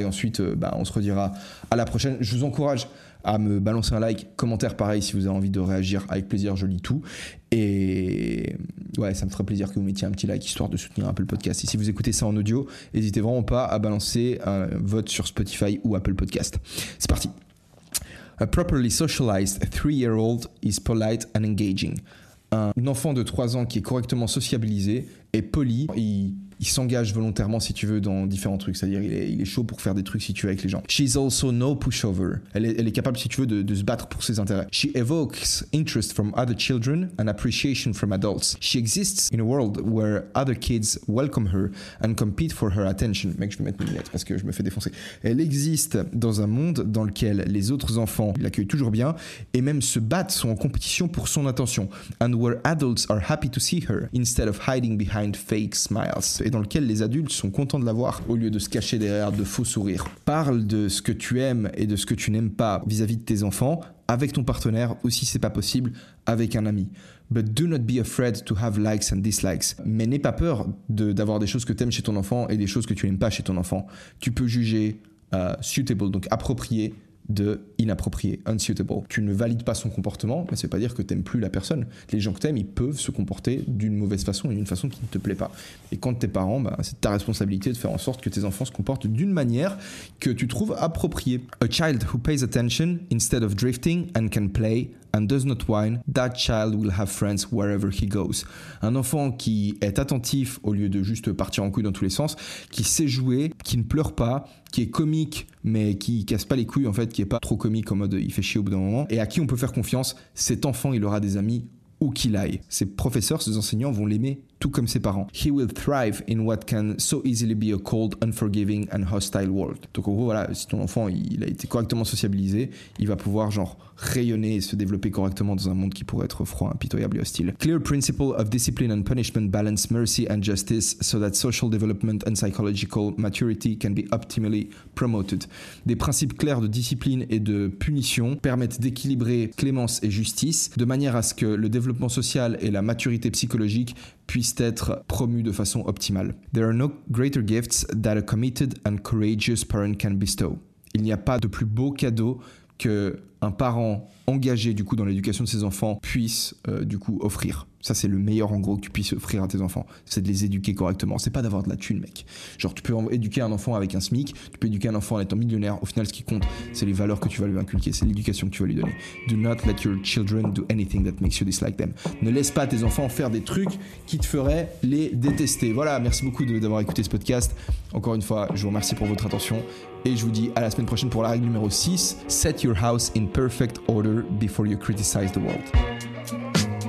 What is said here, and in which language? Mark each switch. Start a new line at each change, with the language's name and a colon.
French: Et ensuite, bah, on se redira à la prochaine. Je vous encourage à me balancer un like, commentaire pareil si vous avez envie de réagir, avec plaisir je lis tout. Et ouais, ça me ferait plaisir que vous mettiez un petit like histoire de soutenir un peu le podcast. Et si vous écoutez ça en audio, n'hésitez vraiment pas à balancer un vote sur Spotify ou Apple Podcast. C'est parti.
English: A properly socialized 3-year-old is polite and engaging.
French: Un enfant de 3 ans qui est correctement sociabilisé est poli. Il s'engage volontairement, si tu veux, dans différents trucs. C'est-à-dire, il est chaud pour faire des trucs, si tu veux, avec les gens.
English: She's also no pushover.
French: Elle est capable, si tu veux, de se battre pour ses intérêts.
English: She evokes interest from other children and appreciation from adults. She exists in a world where other kids welcome her and compete for her attention.
French: Mec, je vais mettre mes lunettes parce que je me fais défoncer. Elle existe dans un monde dans lequel les autres enfants l'accueillent toujours bien et même se battent, sont en compétition pour son attention.
English: And where adults are happy to see her instead of hiding behind fake smiles.
French: Et dans lequel les adultes sont contents de l'avoir au lieu de se cacher derrière de faux sourires. Parle de ce que tu aimes et de ce que tu n'aimes pas vis-à-vis de tes enfants, avec ton partenaire ou si c'est pas possible, avec un ami.
English: But do not be afraid to have likes and dislikes.
French: Mais n'aie pas peur d'avoir des choses que t'aimes chez ton enfant et des choses que tu n'aimes pas chez ton enfant. Tu peux juger suitable, donc approprié, de inapproprié, unsuitable. Tu ne valides pas son comportement, mais ça ne veut pas dire que tu n'aimes plus la personne. Les gens que tu aimes, ils peuvent se comporter d'une mauvaise façon et d'une façon qui ne te plaît pas. Et quand tu es parent, bah, c'est ta responsabilité de faire en sorte que tes enfants se comportent d'une manière que tu trouves appropriée.
English: A child who pays attention instead of drifting and can play and does not whine, that child will have friends wherever he goes.
French: Un enfant qui est attentif au lieu de juste partir en couille dans tous les sens, qui sait jouer, qui ne pleure pas, qui est comique mais qui casse pas les couilles en fait, qui est pas trop comique en mode il fait chier au bout d'un moment, et à qui on peut faire confiance, cet enfant il aura des amis où qu'il aille. Ses professeurs, ses enseignants vont l'aimer tout comme ses parents.
English: He will thrive in what can so easily be a cold, unforgiving and hostile world.
French: Donc en gros voilà, si ton enfant il a été correctement sociabilisé, il va pouvoir genre rayonner et se développer correctement dans un monde qui pourrait être froid, impitoyable et hostile.
English: Clear principle of discipline and punishment balance mercy and justice so that social development and psychological maturity can be optimally promoted.
French: Des principes clairs de discipline et de punition permettent d'équilibrer clémence et justice de manière à ce que le développement social et la maturité psychologique puissent être promus de façon optimale.
English: There are no greater gifts that a committed and courageous parent can bestow.
French: Il n'y a pas de plus beau cadeau que un parent engagé du coup dans l'éducation de ses enfants puisse du coup offrir. Ça c'est le meilleur en gros que tu puisses offrir à tes enfants, c'est de les éduquer correctement. C'est pas d'avoir de la thune, mec. Genre tu peux éduquer un enfant avec un SMIC, tu peux éduquer un enfant en étant millionnaire. Au final, ce qui compte, c'est les valeurs que tu vas lui inculquer, c'est l'éducation que tu vas lui donner.
English: Do not let your children do anything that makes you dislike them.
French: Ne laisse pas tes enfants faire des trucs qui te feraient les détester. Voilà, merci beaucoup d'avoir écouté ce podcast. Encore une fois, je vous remercie pour votre attention et je vous dis à la semaine prochaine pour la règle numéro 6.
English: Set your house in perfect order before you criticize the world.